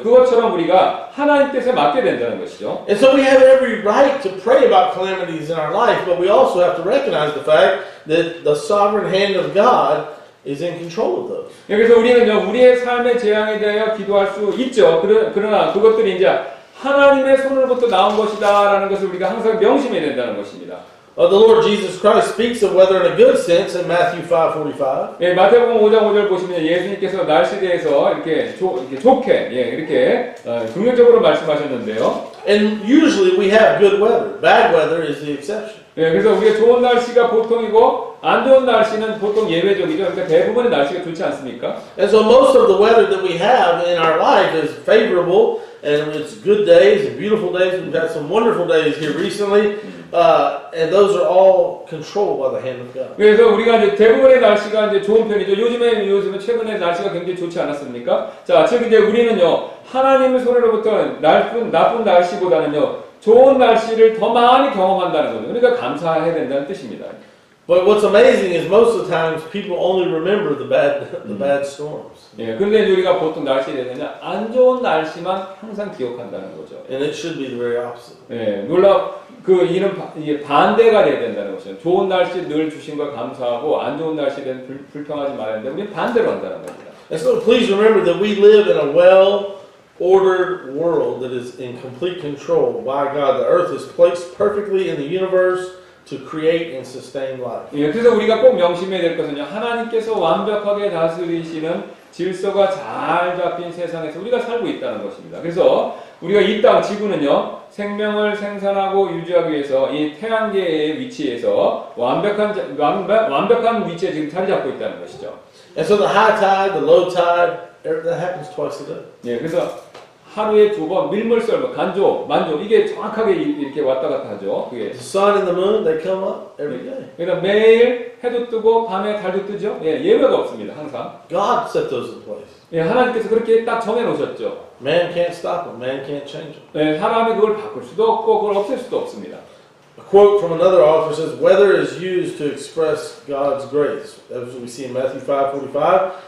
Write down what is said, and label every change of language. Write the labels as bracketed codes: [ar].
[ko] 그것처럼 우리가 하나님 뜻에 맞게 된다는 것이죠. [en] And so we have every right to pray about calamities in our life, but we also have to recognize the fact that the sovereign hand of God is in control of those. [ko] 그래서 우리는요, 우리의 삶의 재앙에 대하여 기도할 수 있죠. 그러나 그것들이 이제 하나님의 손으로부터 나온 것이다라는 것을 우리가 항상 명심해야 된다는 것입니다. [en] The Lord Jesus Christ speaks of weather in a good sense in Matthew 5:45. [ko] 예, 마태복음 5장 5절 보시면 예수님께서 날씨에 대해서 이렇게 이렇게 좋게 예, 이렇게 긍정적으로 말씀하셨는데요. [en] And usually we have good weather. Bad weather is the exception. [ko] 예, 그래서 우리가 좋은 날씨가 보통이고 안 좋은 날씨는 보통 예외적이죠. 그러니까 대부분의 날씨가 좋지 않습니까? [en] And so most of the weather that we have in our life is favorable. And it's good days and beautiful days. We've had some wonderful days here recently. And those are all controlled by the hand of God. [ko] 그래서 우리가 이제 대부분의 날씨가 이제 좋은 편이죠. 요즘에 최근에 날씨가 굉장히 좋지 않았습니까? 자, 지금 이제 우리는요, 하나님의 손으로부터 나쁜 날씨보다는요, 좋은 날씨를 더 많이 경험한다는 거죠. 그러니까 감사해야 된다는 뜻입니다. [en] But what's amazing is most of the times people only remember the bad storms. [ko] 예, 근데 우리가 보통 날씨에 대해서는 안 좋은 날씨만 항상 기억한다는 거죠. [en] And it should be the very opposite. [ko] 예, 놀라 그 이런 이게 반대가 돼야 된다는 것이죠. 좋은 날씨 늘 주신 걸 감사하고 안 좋은 날씨에 대해서 불평하지 말아야 되는데 우리는 반대로 한다는 겁니다. [en] And so please remember that we live in a well ordered world that is in complete control by God. The earth is placed perfectly in the universe to create and sustain life. [ko] 예, 그래서 우리가 꼭 명심해야 될 것은요. 하나님께서 완벽하게 다스리시는 질서가 잘 잡힌 세상에서 우리가 살고 있다는 것입니다. 그래서 우리가 이 땅, 지구는요, 생명을 생산하고 유지하기 위해서 이 태양계의 위치에서 완벽한 위치에 지금 자리 잡고 있다는 것이죠. [en] And so the high tide, the low tide, everything happens twice a day. [ko] 예, 그래서 하루에 두 번 밀물설, 간조, 만조 이게 정확하게 이렇게 왔다 갔다 하죠. 그게. [en] The sun and the moon, they come up every day. [ko] 그러니까 매일 해도 뜨고 밤에 달도 뜨죠. 예, 예외가 없습니다. 항상. [en] God set those in place. [ko] 예, 하나님께서 그렇게 딱 정해 놓으셨죠. [en] Man can't stop them. Man can't change them. [ko] 예, 사람이 그걸 바꿀 수도 없고 그걸 없앨 수도 없습니다. [en] A quote from another author says, "Weather is used to express God's grace, as we see in Matthew 5:45."